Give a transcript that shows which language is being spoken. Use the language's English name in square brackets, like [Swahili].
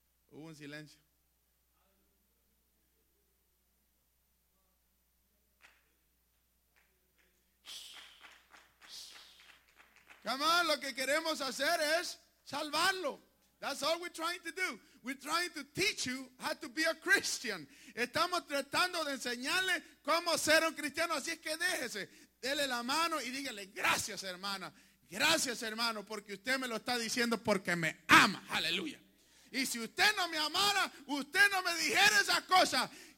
[Spanish] Hubo un silencio. [English] Come on, [Spanish] lo que queremos hacer es salvarlo. [English] That's all we're trying to do. We're trying to teach you how to be a Christian. [Spanish] Estamos tratando de enseñarle cómo ser un cristiano. Así es que déjese, dele la mano y dígale, gracias hermana, gracias hermano, porque usted me lo está diciendo porque me ama. Aleluya. Y si usted no me amara, usted no me dijera esas cosas.